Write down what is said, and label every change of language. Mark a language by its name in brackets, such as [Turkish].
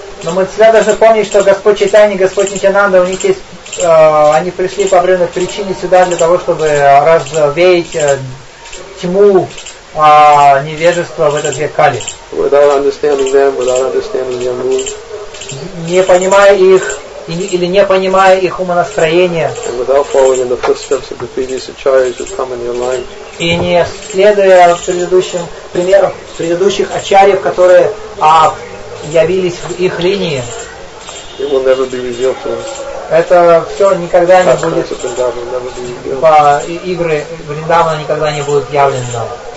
[Russian] Но мы всегда должны помнить, что Господь Чайтанья и Господь Нитянанда, у них есть, они пришли по определенной причине сюда для того, чтобы развеять тьму невежества в этот век Кали. [English] Without understanding them, without understanding their mood, [Russian] не понимая их, или не понимая их умонастроения, [English] without following in the footsteps of the previous acharyas who come in your line. [Russian] И не следуя предыдущим примерам предыдущих ачарьев, которые явились в их линии. [English] It will never be revealed to us. [Russian] Это все никогда не будет. По игры Вриндавана никогда не будет явлен нам.